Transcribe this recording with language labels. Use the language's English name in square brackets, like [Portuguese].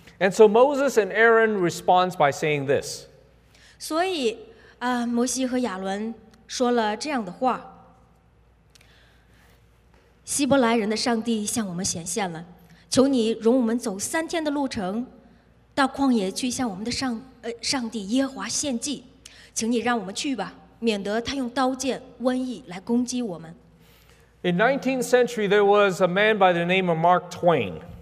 [English] And so Moses and Aaron responds by saying this. [Chinese] 所以，摩西和亚伦说了这样的话：希伯来人的上帝向我们显现了，求你容我们走三天的路程，到旷野去向我们的上帝耶和华献祭，请你让我们去吧，免得他用刀剑、瘟疫来攻击我们。 [English] In 19th century, there was a man by the name of Mark Twain.